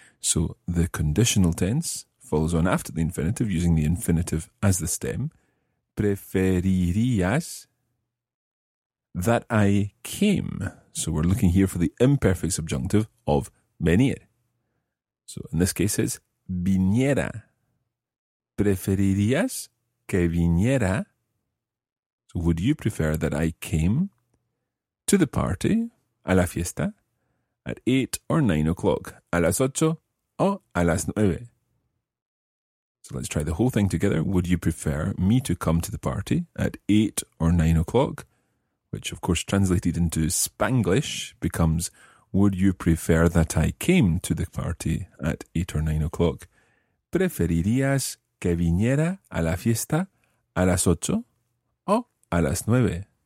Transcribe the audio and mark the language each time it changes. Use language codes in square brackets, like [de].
[en] So the conditional tense follows on after the infinitive using the infinitive as the stem. [es] Preferirías [en] that I came. So we're looking here for the imperfect subjunctive of venir. So in this case it's viniera. [es] Preferirías que viniera. [en] So would you prefer that I came to the party, [es] a la fiesta, [en] at 8 or 9 o'clock, [es] a las 8 o a las 9? [en] So let's try the whole thing together. Would you prefer me to come to the party at 8 or 9 o'clock? Which, of course, translated into Spanglish becomes, would you prefer that I came to the party at 8 or 9 o'clock? [es] ¿Preferirías que viniera a la fiesta a las 8 o a las 9?